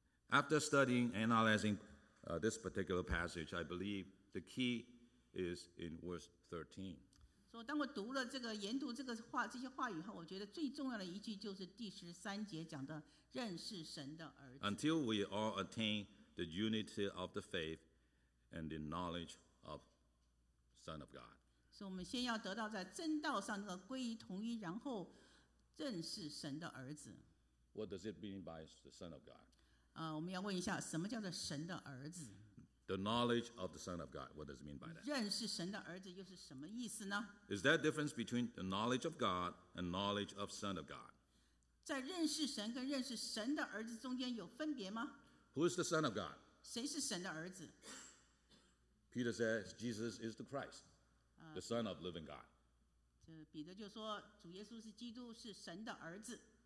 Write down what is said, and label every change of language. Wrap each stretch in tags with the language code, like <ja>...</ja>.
<en>After studying and analyzing this particular passage, I believe the key is in verse 13.</en> <zh>所以当我读了这个研读这个话这些话语后，我觉得最重要的一句就是第十三节讲的认识神的儿子。</zh> <en>Until we all attain the unity of the faith and the knowledge of Son of God.</en> <zh>所以我们先要得到在真道上的归于同一，然后认识神的儿子。</zh> <en>What does it mean by the Son of God?</en> <zh>我们要问一下什么叫做神的儿子？</zh> <en>The knowledge of the Son of God. What does it mean by that?</en> <zh>认识神的儿子又是什么意思呢？</zh> <en>Is there a difference between the knowledge of God and knowledge of Son of God?</en> <zh>在认识神跟认识神的儿子中间有分别吗？</zh> <en>Who is the Son of God?</en> <zh>谁是神的儿子？</zh> <en>Peter says Jesus is the Christ, the Son of living God.</en> <zh>彼得就说主耶稣是基督，是神的儿子。</zh>